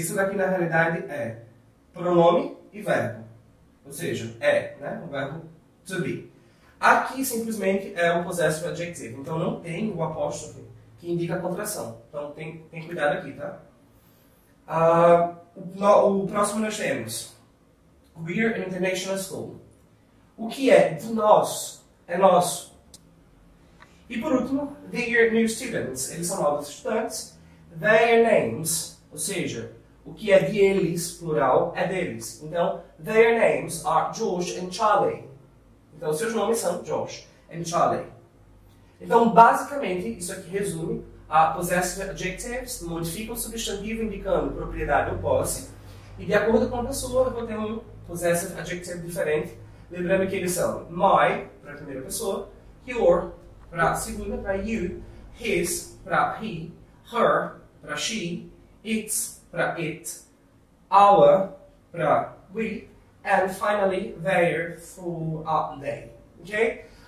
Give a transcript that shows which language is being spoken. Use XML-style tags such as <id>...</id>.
<pt>Isso daqui, na realidade, é pronome e verbo. Ou seja, é, né? O verbo to be. Aqui, simplesmente, é o possessive adjective. Então, não tem o apóstrofe que indica a contração. Então, tem cuidado aqui, tá? O próximo nós temos.</pt> <en>We're an international school.</en> <pt>O que é de nós? É nosso. E por último,</pt> <en>they're new students,</en> <pt>eles são novos estudantes. Their names, ou seja, o que é de eles, plural, é deles.</pt> <en>Então, their names are Josh and Charlie.</en> <pt>Então, seus nomes são Josh and Charlie. Então, basicamente, isso aqui resume a possessive adjectives, modifica o substantivo indicando propriedade ou posse. E de acordo com a pessoa, eu vou ter um possessive adjective diferente. Lembrando que eles são my, para a primeira pessoa, your, para a segunda, para you, his, para he, her, para she, its, para it, our, para we,</pt> <en>and finally, their, for they.</en> <pt>Ok?</pt>